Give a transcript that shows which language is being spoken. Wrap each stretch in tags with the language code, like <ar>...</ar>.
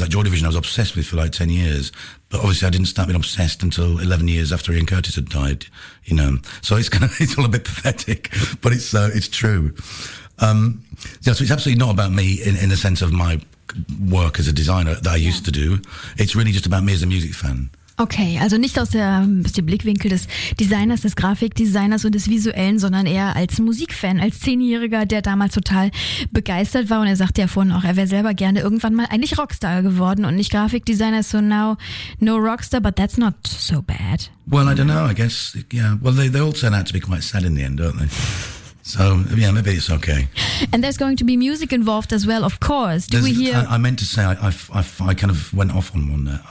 <en>Like Joy Division, I was obsessed with for like 10 years. But obviously I didn't start being obsessed until 11 years after Ian Curtis had died, you know. So it's kind of, it's all a bit pathetic, but it's true. So it's absolutely not about me in the sense of my work as a designer that I used to do. It's really just about me as a music fan.</en> <de>Okay, also nicht aus dem Blickwinkel des Designers, des Grafikdesigners und des Visuellen, sondern eher als Musikfan, als Zehnjähriger, der damals total begeistert war. Und er sagte ja vorhin auch, er wäre selber gerne irgendwann mal eigentlich Rockstar geworden und nicht Grafikdesigner.</de> <en>So now, no Rockstar, but that's not so bad. Well, I don't know, I guess, yeah. Well, they all turn out to be quite sad in the end, don't they? So, yeah, maybe it's okay. And there's going to be music involved as well, of course. I meant to say, I kind of went off on one there.</en>